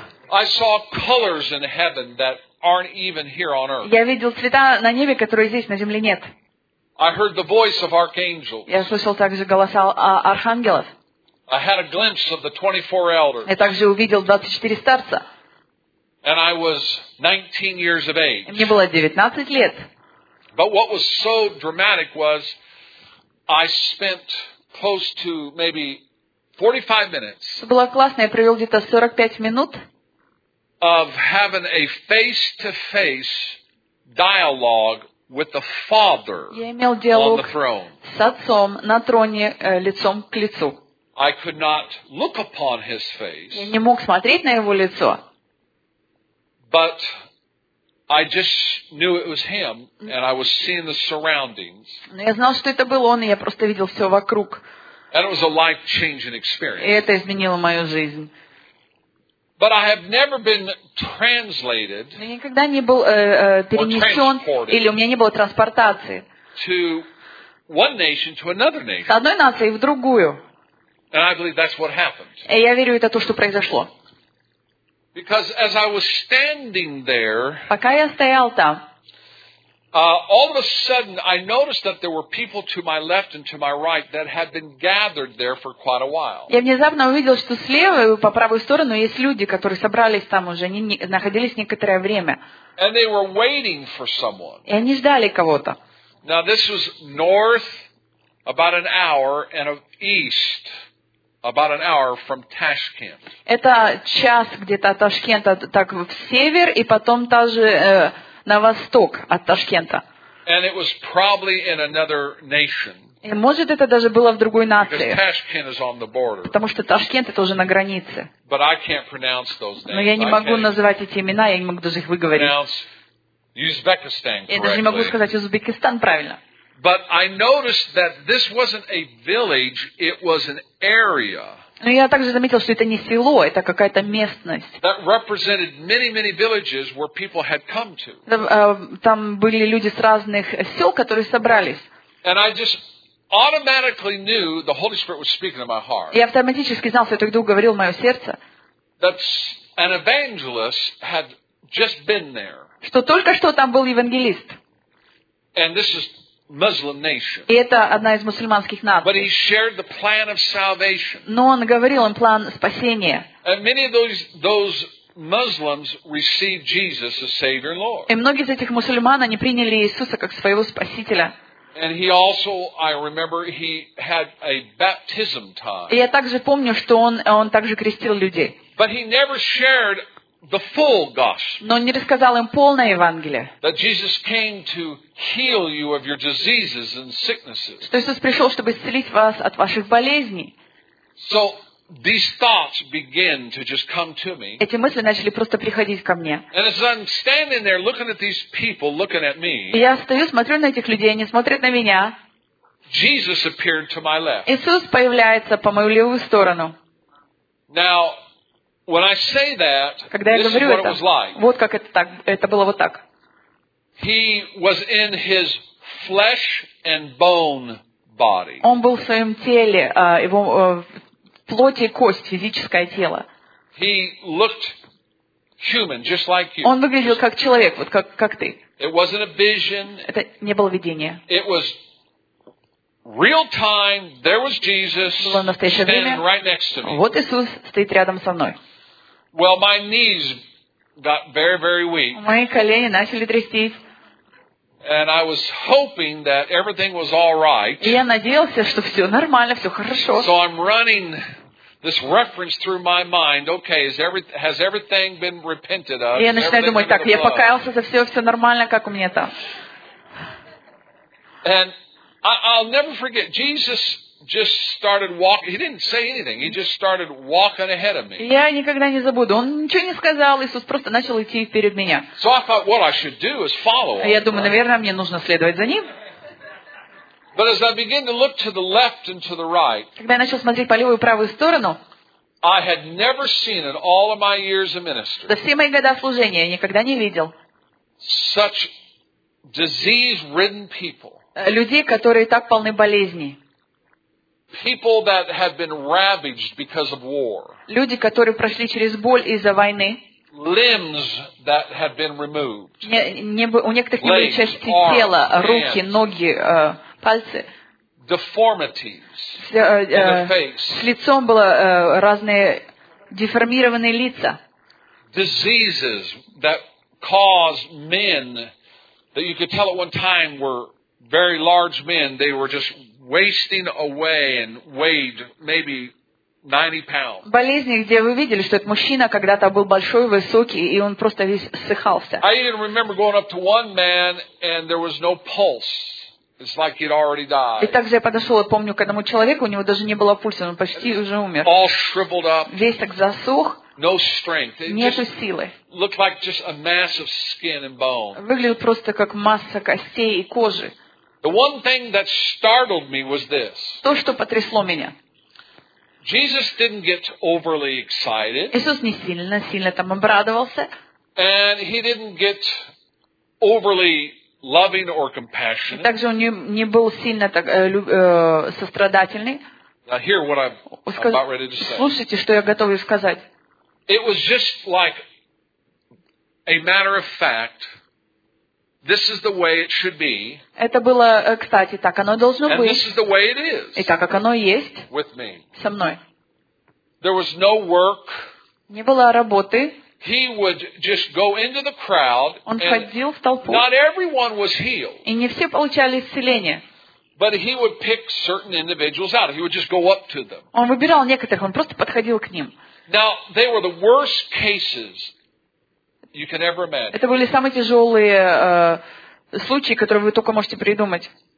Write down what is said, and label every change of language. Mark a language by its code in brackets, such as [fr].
[en] I saw colors in heaven that aren't even here on earth. [ru] Я видел цвета на небе, которые здесь на земле нет. [en] I heard the voice of archangels. [ru] Я слышал также голоса архангелов. [en] I had a glimpse of the 24 elders. [ru] Я также увидел 24 старца. [en] And I was 19 years of age. [ru] Мне было 19 лет. [en] But what was so dramatic was I spent close to maybe 45 minutes. [ru] Было классно, я провел где-то 45 минут. [en] Of having a face-to-face dialogue with the Father on the throne. [ru] С отцом на троне лицом к лицу. [en] I could not look upon his face. [ru] Я не мог смотреть на его лицо. [en] But I just knew it was him, and I was seeing the surroundings. [ru] Но я знал, что это был он, и я просто видел все вокруг. [en] And it was a life-changing experience. [ru] И это изменило мою жизнь. [en] But I have never been translated. [ru] Я никогда не был перенесен, или у меня не было транспортации. [en] To one nation to another nation. [ru] С одной нации в другую. [en] And I believe that's what happened. [ru] И я верю, это то, что произошло. [en] Because as I was standing there, [ru] пока я стоял там, [en] all of a sudden I noticed that there were people to my left and to my right that had been gathered there for quite a while. [ru] Я внезапно увидел, что слева и по правую сторону есть люди, которые собрались там уже, они находились некоторое время. [en] And they were waiting for someone. [ru] И они ждали кого-то. [en] Now this was north, about an hour, and east. About an hour from Tashkent. [ru] Это час где-то от Ташкента, так в север и потом также на восток от Ташкента. [en] And it was probably in another nation. [ru] И может это даже было в другой нации. [en] Because Tashkent is on the border. [ru] Потому что Ташкент это уже на границе. [en] But I can't pronounce those names. [ru] Но я не могу называть эти имена, я не могу даже их выговорить. [en] Pronounce Uzbekistan correctly. [ru] Я даже не могу сказать Узбекистан правильно. [en] But I noticed that this wasn't a village, it was an area. [ru] Но я также заметил, что это не село, это какая-то местность. [en] That represented many, many villages where people had come to. [ru] Там были люди с разных сел, которые собрались. [en] And I just automatically knew the Holy Spirit was speaking in my heart. [ru] Я автоматически знал, что Дух говорил в моё сердце. [en] That an evangelist had just been there. [ru] Что только что там был евангелист. [en] And this is Muslim nation. [ru] И это одна из мусульманских наций. [en] But he shared the plan of salvation. [ru] Но он говорил им план спасения. [en] And many of those Muslims received Jesus as Savior and Lord. [ru] И многие из этих мусульман они приняли Иисуса как своего спасителя. [en] And he also, I remember, he had a baptism time. [ru] И я также помню, что он также крестил людей. [en] But he never shared the full gospel. [ru] Но не рассказал им полное Евангелие. [en] That Jesus came to heal you of your diseases and sicknesses. [ru] Что Иисус пришел, чтобы исцелить вас от ваших болезней. [en] So these thoughts begin to just come to me. [ru] Эти мысли начали просто приходить ко мне. [en] And as I'm standing there looking at these people looking at me. [ru] Я стою, смотрю на этих людей, они смотрят на меня. [en] Jesus appeared to my left. [ru] Иисус появляется по мою левую сторону. [en] Now, when I say that, this is what it was like. [ru] Вот как это так, это было вот так. [en] He was in his flesh and bone body. [ru] Он был в своем теле, его плоть и кость, физическое тело. [en] He looked human, just like you. [ru] Он выглядел как человек, вот как ты. [en] It wasn't a vision. [ru] Это не было видение. [en] It was real time. There was Jesus standing right next to me. [ru] Вот Иисус стоит рядом со мной. [en] Well, my knees got very, very weak. [ru] Мои колени начали трястись. [en] And I was hoping that everything was all right. [ru] Я надеялся, что все нормально, все хорошо. [en] So I'm running this reference through my mind. Okay, has everything been repented of? [ru] Я начинаю думать, так, я покаялся за все, все нормально, как у меня там? [en] And I'll never forget Jesus. Just started walking. He didn't say anything. He just started walking ahead of me. [ru] Я никогда не забуду. Он ничего не сказал. Иисус просто начал идти перед меня. [en] So I thought, what I should do is follow. [ru] Я думаю, наверное, мне нужно следовать за ним. [en] But as I began to look to the left and to the right, [ru] когда я начал смотреть по левую и правую сторону, [en] I had never seen in all of my years of ministry. [ru] За все мои года служения я никогда не видел. [en] Such disease-ridden people. [ru] Людей, которые так полны болезней. [en] People that have been ravaged because of war. [ru] Люди, которые прошли через боль из-за войны. [en] Limbs that have been removed. [ru] У некоторых не были части тела, руки, ноги, пальцы. [en] Deformities. [ru] С лицом было разные деформированные лица. [en] Diseases that cause men that you could tell at one time were very large men. They were just wasting away and weighed maybe 90 pounds. [ru] Болезни, где вы видели, что этот мужчина когда-то был большой, высокий, и он просто весь ссыхался. [en] I even remember going up to one man and there was no pulse. It's like he'd already died. [ru] И также я подошел, помню, к одному человеку, у него даже не было пульса, он почти уже умер. [en] All shriveled up. [ru] Весь так засох. [en] No strength. [ru] Нету силы. [en] Looked like just a mass of skin and bone. [ru] Выглядел просто как масса костей и кожи. [en] The one thing that startled me was this. [ru] То, что потрясло меня. [en] Jesus didn't get overly excited. [ru] Иисус не сильно там обрадовался. [en] And he didn't get overly loving or compassionate. [ru] Также он не был сильно так сострадательный. [en] Now hear what I'm about ready to say. [ru] Слушайте, что я готовлю сказать. [en] It was just like a matter of fact. This is the way it should be. [ru] Это было, кстати, так оно должно быть. [en] And this is the way it is. [ru] И так как оно есть. [en] With me. [ru] Со мной. [en] There was no work. [ru] Не было работы. [en] He would just go into the crowd. [ru] Он входил в толпу. [en] Not everyone was healed. [ru] И не все получали исцеление. [en] But he would pick certain individuals out. He would just go up to them. [ru] Он выбирал некоторых. Он просто подходил к ним. [en] Now they were the worst cases. You can ever imagine. [ru] Это были самые тяжелые случаи, которые вы только можете придумать.